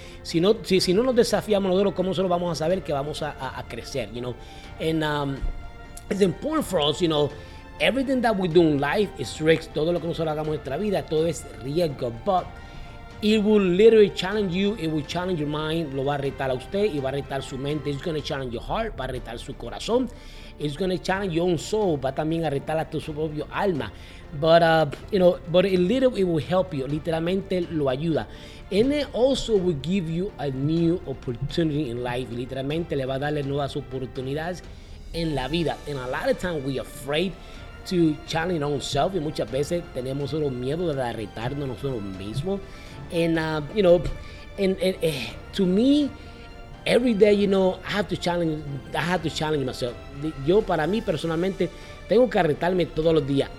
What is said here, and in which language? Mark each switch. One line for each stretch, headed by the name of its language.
Spanish: Si no nos desafiamos nosotros, ¿cómo solo vamos a saber que vamos a crecer?
English: You know, and it's important for us, you know, everything that we do in life is risk.
Spanish: Todo lo que nosotros hagamos en nuestra vida, todo es riesgo.
English: But it will literally challenge you. It will challenge your mind.
Spanish: Lo va a retar a usted y va a retar su mente.
English: It's gonna challenge your heart.
Spanish: Va a retar su corazón.
English: It's gonna challenge your own soul.
Spanish: Va también a retar a tu propio alma.
English: But you know, but it will help you.
Spanish: Literalmente lo ayuda.
English: And it also will give you a new opportunity in life.
Spanish: Literalmente le va a darle nuevas oportunidades en la vida.
English: And a lot of times we're afraid to challenge ourselves.
Spanish: Y muchas veces tenemos solo miedo de retarnos nosotros mismos.
English: And you know, and to me, every day, you know, I have to challenge myself.
Spanish: Yo, para mí personalmente, tengo que retarme todos los días.